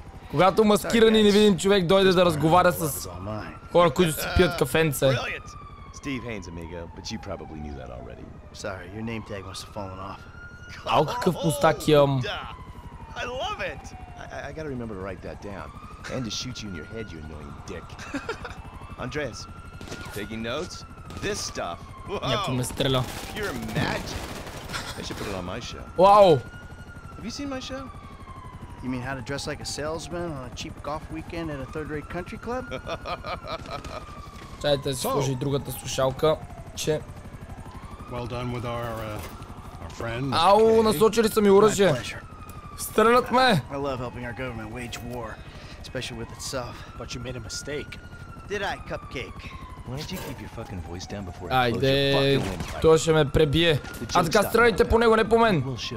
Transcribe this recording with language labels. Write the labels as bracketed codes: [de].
[bg] Когато маскиран и невидим човек дойде да разговаря с хора, които си пият кафенце. [en] Steve Haynes, amigo, but you probably knew that already. Sorry, your name tag must have fallen off. [bg] Ау, какъв мустак имам. [en] I love it. I gotta remember to write that down and to shoot you in your head, you annoying dick. Andreas, taking notes? This stuff. [bg] Някой ме стреля. [en] You're magic. I should put it on my show. Wow. Have you seen my show? You mean how to dress like a salesman on a cheap golf weekend at a third-rate country club? [bg] Чай да си сложи другата слушалка, че... [en] Well done with our friend. [bg] Ау, насочили са ми оръжие. Стрелят ме! [en] I love helping our government wage war, especially with itself. But you made a mistake. Did I, cupcake? Why don't you keep your fucking voice down before I close your fucking windpipe? [bg] Той ще ме пребие. А така стреляйте по него, не по мен!